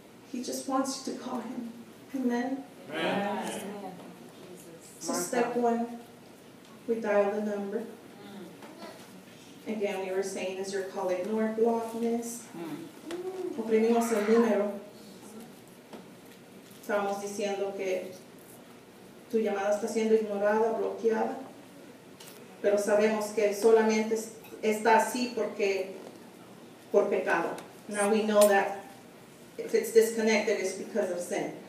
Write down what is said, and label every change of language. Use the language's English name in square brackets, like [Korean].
[English] He just wants you to call him. Amen. Amen. So step one. We dial the number. Again, we were saying, is your call ignored, blockness? [Spanish] Oprimimos el número. Estamos diciendo que tu llamada está siendo ignorada, bloqueada. Pero sabemos que solamente está así porque por pecado. [English] Now we know that if it's disconnected, it's because of sin.